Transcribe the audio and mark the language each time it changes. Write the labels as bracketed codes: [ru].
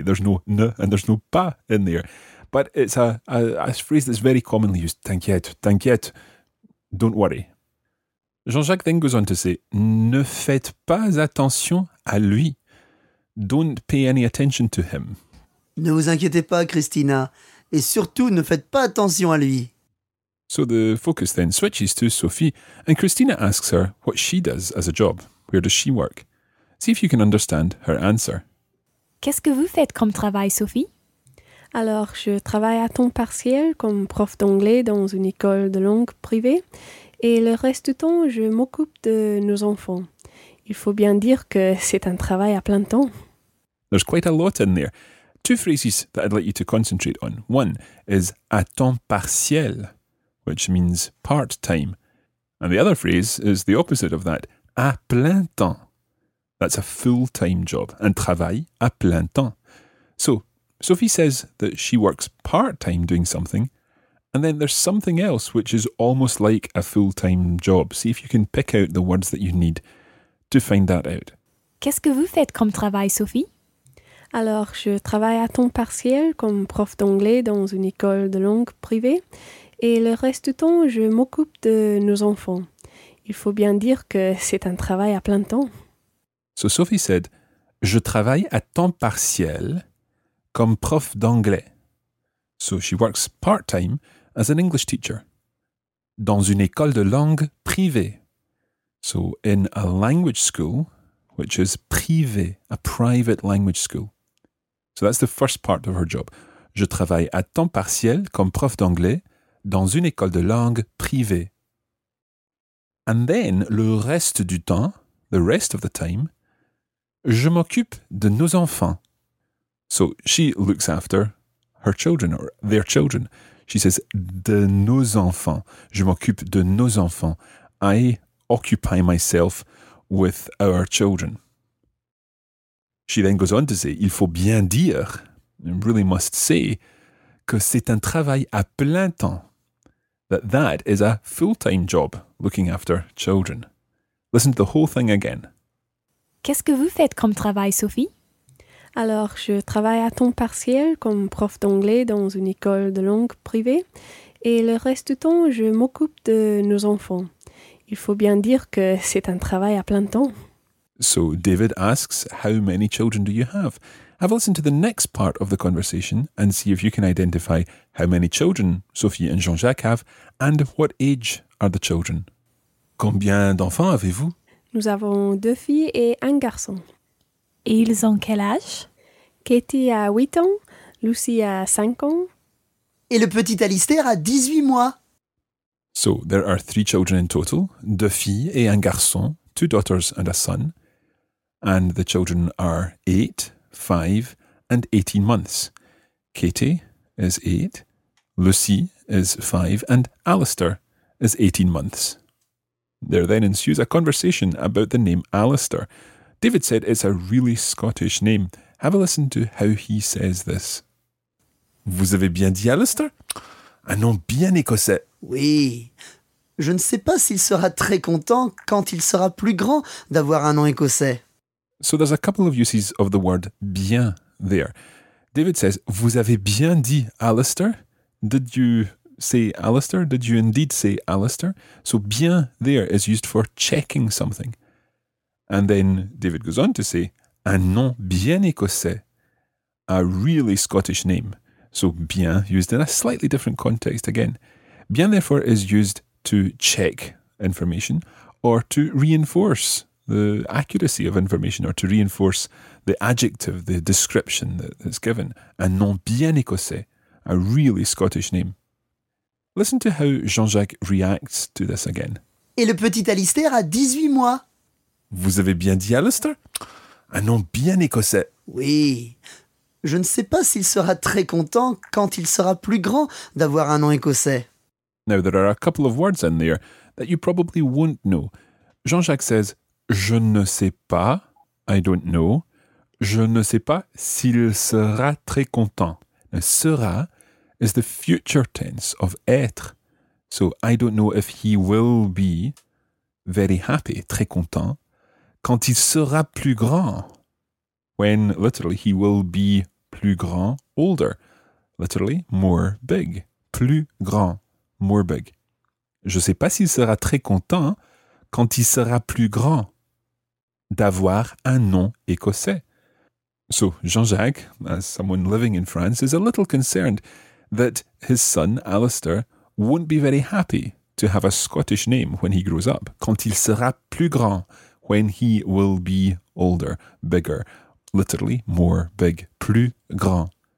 [en] There's no ne and there's no pas in there. But it's a phrase that's very commonly used, [fr] t'inquiète, t'inquiète. [en] Don't worry. Jean-Jacques then goes on to say, [fr] ne faites pas attention à lui. [en] Don't pay any attention to him. [fr] Ne vous inquiétez pas, Christina. Et surtout, ne faites pas attention à lui. [en] So the focus then switches to Sophie, and Christina asks her what she does as a job. Where does she work? See if you can understand her answer. [fr] Qu'est-ce que vous faites comme travail, Sophie? Alors, je travaille à temps partiel comme prof d'anglais dans une école de langue privée et le reste du temps, je m'occupe de nos enfants. Il faut bien dire que c'est un travail à plein temps. [en] There's quite a lot in there. Two phrases that I'd like you to concentrate on. One is [fr] à temps partiel, [en] which means part-time. And the other phrase is the opposite of that, [fr] à plein temps. [en] That's a full-time job, [fr] un travail à plein temps. [en] So, Sophie says that she works part-time doing something, and then there's something else which is almost like a full-time job. See if you can pick out the words that you need to find that out. [fr] Qu'est-ce que vous faites comme travail, Sophie? Alors, je travaille à temps partiel comme prof d'anglais dans une école de langue privée, et le reste du temps, je m'occupe de nos enfants. Il faut bien dire que c'est un travail à plein temps. [en] So Sophie said, [fr] je travaille à temps partiel comme prof d'anglais. [en] So she works part-time as an English teacher. [fr] Dans une école de langue privée. [en] So in a language school, which is privé, a private language school. So that's the first part of her job. [fr] Je travaille à temps partiel comme prof d'anglais dans une école de langue privée. [en] And then [fr] le reste du temps, [en] the rest of the time, [fr] je m'occupe de nos enfants. [en] So she looks after her children or their children. She says, [fr] de nos enfants. Je m'occupe de nos enfants. [en] I occupy myself with our children. She then goes on to say, [fr] il faut bien dire, [en] really must say, [fr] que c'est un travail à plein temps. [en] that that is a full-time job, looking after children. Listen to the whole thing again. [fr] Qu'est-ce que vous faites comme travail, Sophie? Alors, je travaille à temps partiel comme prof d'anglais dans une école de langue privée et le reste du temps, je m'occupe de nos enfants. Il faut bien dire que c'est un travail à plein temps. [en] So, David asks, how many children do you have? Have a listen to the next part of the conversation and see if you can identify how many children Sophie and Jean-Jacques have and what age are the children. [fr] Combien d'enfants avez-vous? Nous avons deux filles et un garçon. Et ils ont quel âge? Katie a 8 ans, Lucy a 5 ans. Et le petit Alistair a 18 mois. [en] So, there are three children in total, [fr] deux filles et un garçon, [en] two daughters and a son. And the children are 8, 5 and 18 months. Katie is 8, Lucy is 5 and Alistair is 18 months. There then ensues a conversation about the name Alistair. David said it's a really Scottish name. Have a listen to how he says this. [fr] Vous avez bien dit Alistair? Un nom bien écossais. Oui. Je ne sais pas s'il sera très content quand il sera plus grand d'avoir un nom écossais. [en] So there's a couple of uses of the word bien there. David says, [fr] vous avez bien dit Alistair? [en] Did you say Alistair? Did you indeed say Alistair? So bien there is used for checking something. And then David goes on to say, [fr] un nom bien écossais, [en] a really Scottish name. So bien used in a slightly different context again. Bien therefore is used to check information or to reinforce the accuracy of information or to reinforce the adjective, the description that's given. [fr] Un nom bien écossais, [en] a really Scottish name. Listen to how Jean-Jacques reacts to this again. [fr] Et le petit Alistair a 18 mois. Vous avez bien dit Alistair? Un nom bien écossais. Oui. Je ne sais pas s'il sera très content quand il sera plus grand d'avoir un nom écossais. [en] Now, there are a couple of words in there that you probably won't know. Jean-Jacques says, [fr] je ne sais pas, [en] I don't know. [fr] Je ne sais pas s'il sera très content. [en] Now, sera is the future tense of être. So, I don't know if he will be very happy, [fr] très content. Quand il sera plus grand, [en] when literally he will be plus grand, older, literally more big, plus grand, more big. [fr] Je ne sais pas s'il sera très content quand il sera plus grand d'avoir un nom écossais. [en] So Jean-Jacques, as someone living in France, is a little concerned that his son, Alistair, won't be very happy to have a Scottish name when he grows up. [fr] Quand il sera plus grand. [en] When he will be older, bigger, literally more big, plus grand.